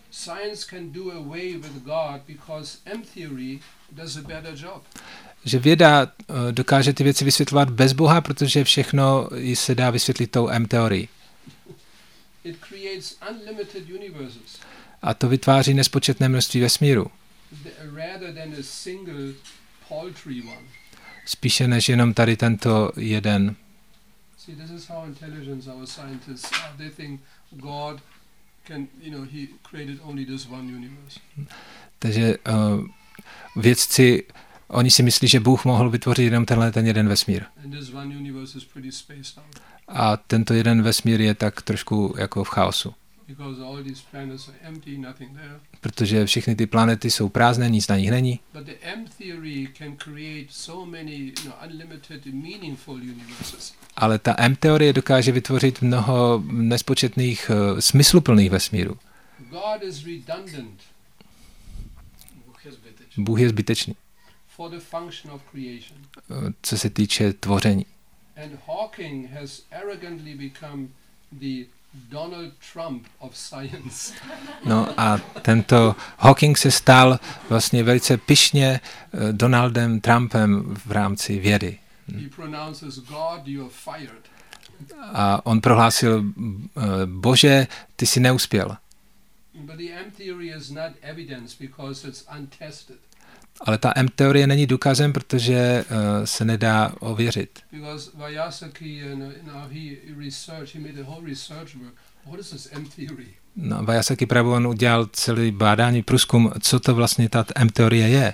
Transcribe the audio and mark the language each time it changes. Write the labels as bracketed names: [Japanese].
[English] Science can do away with God because M theory does a better job. [Czech] Že věda dokáže ty věci vysvětlovat bez Boha, protože všechno se dá vysvětlit tou M teorií. [English] It creates unlimited universes. [Czech] A to vytváří nespočetné množství vesmíru. [English] Rather than a single paltry one. [Czech] Spíše než jenom tady tento jeden. [English] See, this is how intelligent our scientists are. They think God can, you know, he created only this one universe. [Czech] Takže vědci, oni si myslí, že Bůh mohl vytvořit jenom tenhle ten jeden vesmír. [English] And this one universe is pretty spaced out. [Czech] A tento jeden vesmír je tak trošku jako v chaosu. [English] Because all these planets are empty, nothing there. [Czech] Protože všechny ty planety jsou prázdné, nic na nich není. [English] But the M theory can create so many, you know, unlimited meaningful universes. [Czech] Ale ta M teorie dokáže vytvořit mnoho nespočetných smysluplných vesmírů. [English] God is redundant. [Czech] Bůh je zbytečný. [English] For the function of creation. [Czech] Co se týče tvoření. [English] And Hawking has arrogantly become the Donald Trump of science. [Czech] No a tento Hawking se stal vlastně velice pyšně Donaldem Trumpem v rámci vědy. [English] He pronounces God, you're fired. [Czech] A on prohlásil, Bože, ty jsi neuspěl. [English] But the M theory is not evidence because it's untested. [Czech] Ale ta M teorie není důkazem, protože se nedá ověřit. [English] Because Vyasaki, he researched, he made a whole research work. What is this M theory? [Czech] No, Vyasaki Prabhu, on udělal celý bádání, průzkum, co to vlastně ta M teorie je.